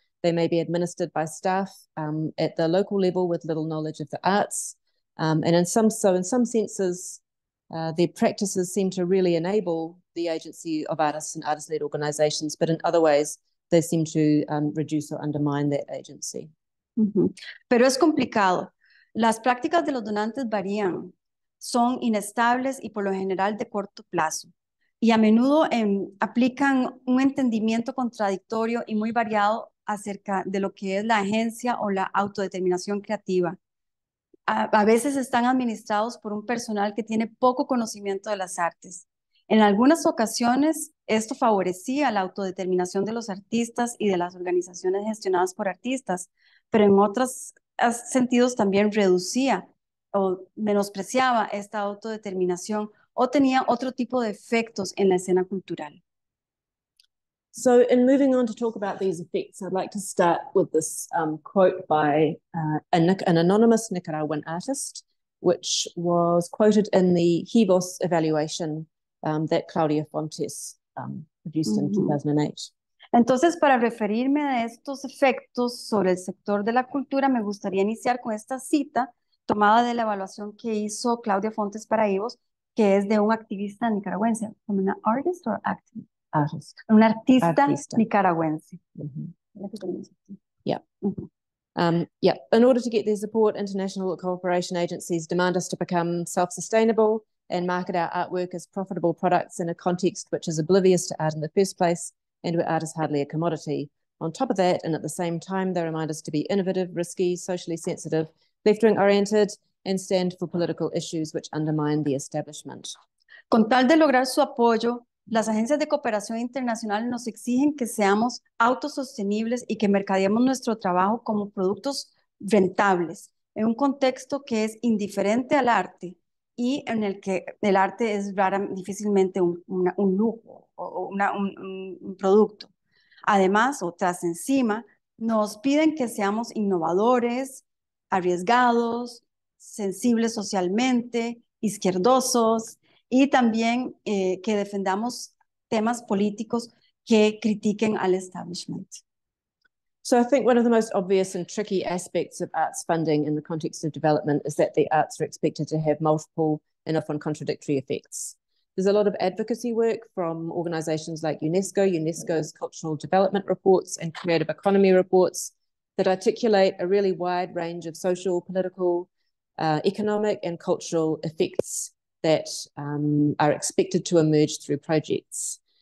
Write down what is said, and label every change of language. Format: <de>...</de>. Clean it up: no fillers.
<en>They may be administered by staff at the local level with little knowledge of the arts. And in some senses, their practices seem to really enable the agency of artists and artist-led organizations, but in other ways, they seem to reduce or undermine that agency.</en> <es>Pero es complicado. Las prácticas de los donantes varían, son inestables y por lo general de corto plazo, y a menudo aplican un entendimiento contradictorio y muy variado acerca de lo que es la agencia o la autodeterminación creativa. A veces están administrados por un personal que tiene poco conocimiento de las artes. En algunas ocasiones, esto favorecía la autodeterminación de los artistas y de las organizaciones gestionadas por artistas, pero en otros sentidos también reducía o menospreciaba esta autodeterminación o tenía otro tipo de efectos en la escena cultural.</es> <en>So in moving on to talk about these effects, I'd like to start with this quote by an anonymous Nicaraguan artist, which was quoted in the Hibos evaluation that Claudia Fontes produced in 2008.</en> <es>Entonces, para referirme a estos efectos sobre el sector de la cultura, me gustaría iniciar con esta cita tomada de la evaluación que hizo Claudia Fontes para Ivos, que es de un activista nicaragüense. ¿Como una</es> <en>artist</en> <es>o</es> <en>activist? Artist.</en> <es>Un artista, artista. Nicaragüense. Mm-hmm. Yeah. Mm-hmm.</es> <en>In order to get their support, international cooperation agencies demand us to become self-sustainable and market our artwork as profitable products in a context which is oblivious to art in the first place, and where art is hardly a commodity. On top of that, and at the same time, they remind us to be innovative, risky, socially sensitive, left-wing oriented, and stand for political issues which undermine the establishment.</en> <es>Con tal de lograr su apoyo, las agencias de cooperación internacional nos exigen que seamos autosostenibles y que mercadeemos nuestro trabajo como productos rentables en un contexto que es indiferente al arte y en el que el arte es difícilmente un lujo o un producto. Además, o tras encima, nos piden que seamos innovadores, arriesgados, sensibles socialmente, izquierdosos, y también que defendamos temas políticos que critiquen al establishment.</es> <en>So I think one of the most obvious and tricky aspects of arts funding in the context of development is that the arts are expected to have multiple and often contradictory effects. There's a lot of advocacy work from organizations like UNESCO, UNESCO's cultural development reports and creative economy reports that articulate a really wide range of social, political, economic and cultural effects that are expected to emerge through projects.</en>